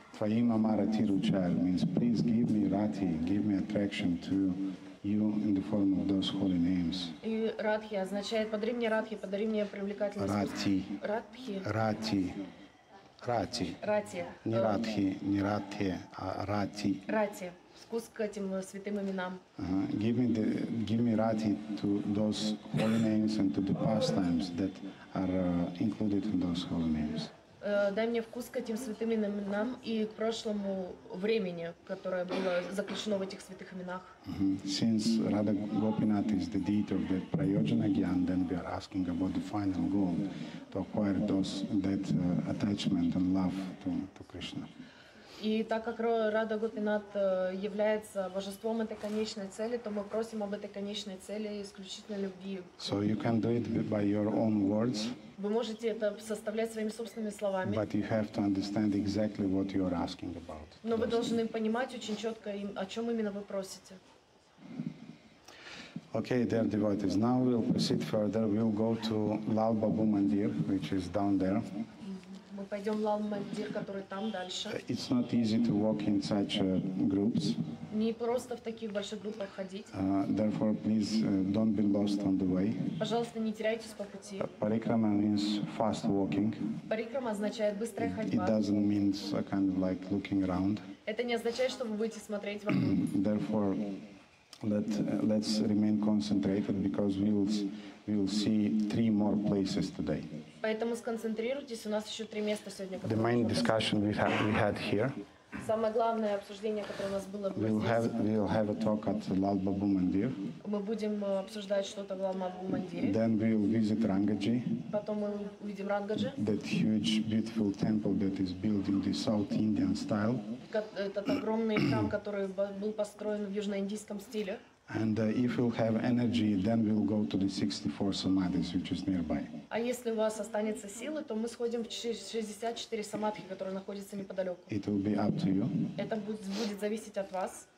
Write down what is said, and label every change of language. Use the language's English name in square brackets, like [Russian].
[Sanskrit] Твоим Амарати Ручаер [English] means please give me Rati, give me attraction to you in the form of those holy names. [Russian] И Радхи означает подари мне Радхи, подари мне привлекательность. Рати. Радхи. Рати. Рати. Рати. Не Радхи, не Рати, а Рати. Рати. Вкус к этим святым именам. [English] Give me Rati to those holy names and to the pastimes that are included in those holy names. [Russian] Дай мне вкус к этим святым именам и к прошлому времени, которое было заключено в этих святых именах. [English] Since Radha Gopinath is the deity of the Prayojana Gyan, then we are asking about the final goal to acquire that attachment and love to Krishna. [Russian] И так как Радха Гопинат является божеством этой конечной цели, то мы просим об этой конечной цели исключительно любви. [English] So you can do it by your own words. [Russian] Вы можете это составлять своими собственными словами. [English] But you have to understand exactly what you are asking about. [Russian] Но вы должны понимать очень четко, о чем именно вы просите. [English] Okay, dear devotees, now we'll proceed further. We'll go to Lal Babu Mandir, which is down there. [Russian] Мы пойдем в Лал-Мандир, который там дальше. [English] It's not easy to walk in such groups. [Russian] Не просто в таких больших группах ходить. [English] Therefore, please don't be lost on the way. [Russian] Пожалуйста, не теряйтесь по пути. [English] Парикрама means fast walking. [Russian] Парикрама означает быстрая ходьба. [English] It doesn't mean a kind of like looking around. [Russian] Это не означает, что вы будете смотреть вокруг. [English] Therefore, Let's remain concentrated because we will see three more places today. [Russian] Поэтому сконцентрируйтесь, у нас еще три места сегодня. [English] The main discussion we had here. [Russian] Самое главное обсуждение, которое у нас было здесь. [English] We'll have a talk at Lal Babu Mandir. [Russian] Мы будем обсуждать что-то в Лал Бабу Мандире. [English] Then we'll visit Rangaji. [Russian] Потом мы увидим Рангаджи. [English] That huge beautiful temple that is built in the South Indian style. [Russian] Этот огромный храм, который был построен в южноиндийском стиле. [English] And if you'll have energy, then we'll go to the 64 samadhis, which is nearby. [Russian] А если у вас останется силы, то мы сходим в 64 самадхи, которые находятся неподалеку. [English] It will be up to you. [Russian] Это будет зависеть от вас.